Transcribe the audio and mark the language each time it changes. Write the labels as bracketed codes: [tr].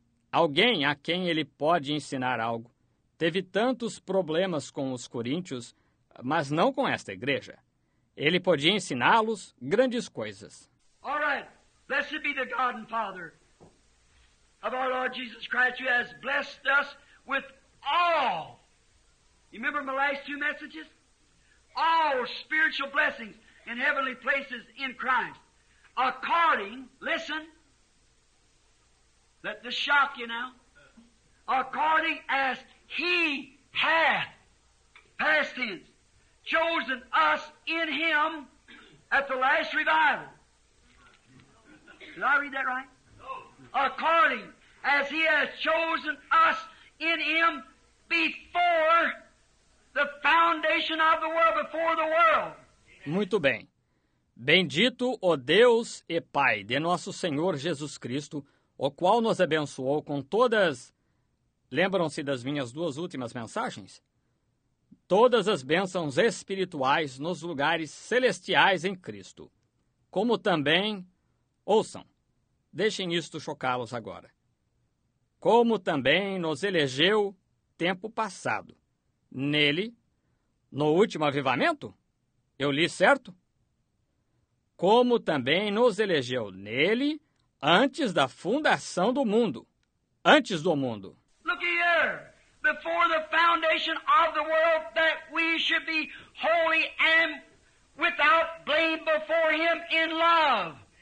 [pt] Alguém a quem ele pode ensinar algo. Teve tantos problemas com os coríntios, mas não com esta igreja. Ele podia ensiná-los grandes coisas. [en] All right. Blessed be the God and Father of our Lord Jesus Christ, who has blessed us with all. You remember my last two messages? All spiritual blessings in heavenly places in Christ. According, listen. Let this shock you now. According as He hath, past tense, chosen us in Him at the last revival. Did I read that right? According as He has chosen us in Him before the foundation of the world, before the world. [pt] Muito bem. Bendito o Deus e Pai de nosso Senhor Jesus Cristo, o qual nos abençoou com todas... Lembram-se das minhas duas últimas mensagens? Todas as bênçãos espirituais nos lugares celestiais em Cristo. Como também... Ouçam. Deixem isto chocá-los agora. Como também nos elegeu tempo passado. Nele, no último avivamento? Eu li certo? Como também nos elegeu nele antes da fundação do mundo. Antes do mundo. [en] Look here. Before the foundation of the world, that we should be holy and without blame before Him in love.